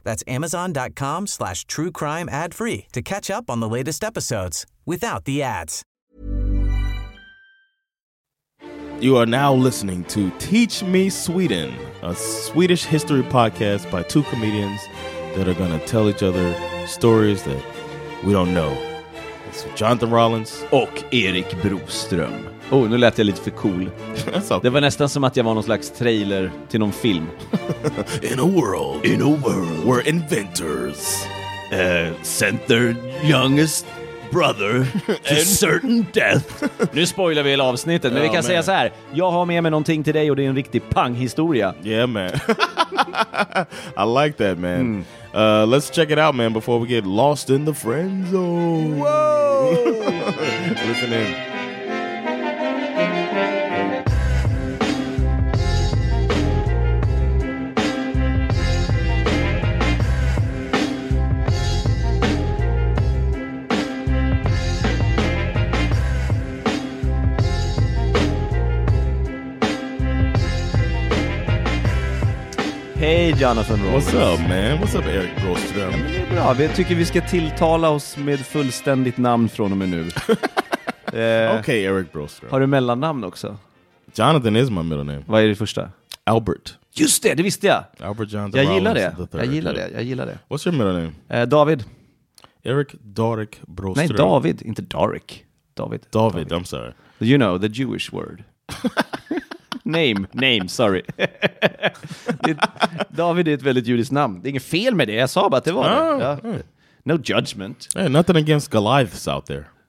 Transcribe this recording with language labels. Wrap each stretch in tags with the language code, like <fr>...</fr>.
<en>That's amazon.com/truecrimeadfree to catch up on the latest episodes without the ads. You are now listening to Teach Me Sweden, a Swedish history podcast by two comedians that are going to tell each other stories that we don't know. It's Jonathan Rollins</en> <sv>och Erik Broström. Oh, nu lät jag lite för cool. Det var nästan som att jag var någon slags trailer till någon film.</sv> <en>In a world where inventors sent their youngest brother and certain death.</en> <sv>Nu spoilar vi hela avsnittet, men vi kan säga så här: jag har med mig någonting till dig och det är en riktig panghistoria.</sv> <en>Yeah, man. I like that, man. Mm. Let's check it out, man, before we get lost in the friend zone. Whoa! Listen in.</en> <sv>Hej Jonathan Rollins.</sv> <en>What's up, man? What's up, Erik Broström?</en> <sv>Ja, men det är bra. Vi tycker vi ska tilltala oss med fullständigt namn från och med nu. Okej, Erik Broström. Har du mellannamn också?</sv> <en>Jonathan is my middle name.</en> <sv>Vad är det första? Albert. Just det visste jag. Albert Jonathan. Jag gillar det. Jag gillar det.</sv> <en>What's your middle name?</en> <sv>David. Erik Darek Broström. Nej, David, inte Darek. David.</sv> <en>David. David, I'm sorry. You know, the Jewish word. Name, sorry.</en> <sv>David är ett väldigt judiskt namn. Det är inget fel med det, jag sa bara att det var det. Ja.</sv> <en>No judgment. Hey, nothing against Goliaths out there.</en>